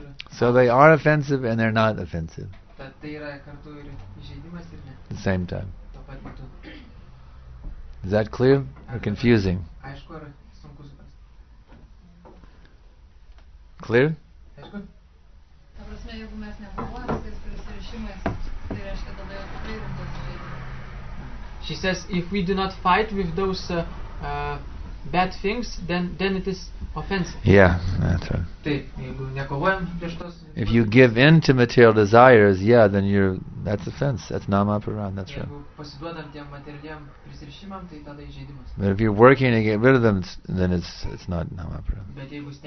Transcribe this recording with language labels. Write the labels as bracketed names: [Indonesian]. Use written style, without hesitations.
[English] So they are offensive and they're not offensive. [Lithuanian] Tad tai yra kartu ir įžeidimas ir ne. [English] The same time. [Lithuanian] Tuo pat metu. [English] Is that clear or confusing? [Lithuanian] Aišku ar sunku suprasti. [English] Clear? [Lithuanian] Aišku. Ta prasme, jeigu mes nekovojame su tais prisirišimais, tai reiškia, kad tada jau tikrai rimtas įžeidimas. [English] She says, if we do not fight with those bad things, then it is offensive. Yeah, that's right. If you give in to material desires, yeah, then you're, that's offense. That's nama puran, that's right. But if you're working to get rid of them, then it's not nama puran.